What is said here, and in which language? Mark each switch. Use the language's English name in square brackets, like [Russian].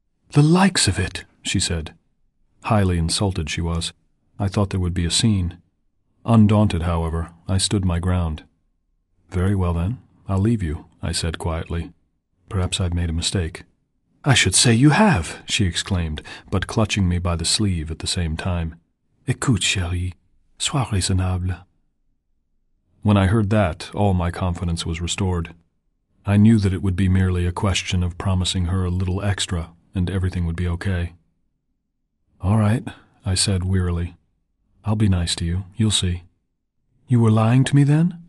[English] "The likes of it," she said. Highly insulted she was. I thought there would be a scene. Undaunted, however, I stood my ground. "Very well, then. I'll leave you," I said quietly. "Perhaps I've made a mistake." "I should say you have," she exclaimed, but clutching me by the sleeve at the same time. [French] "Écoute, chérie, sois raisonnable." [English] When I heard that, all my confidence was restored. I knew that it would be merely a question of promising her a little extra, and everything would be okay. "All right," I said wearily. "I'll be nice to you. You'll see." "You were lying to me then?"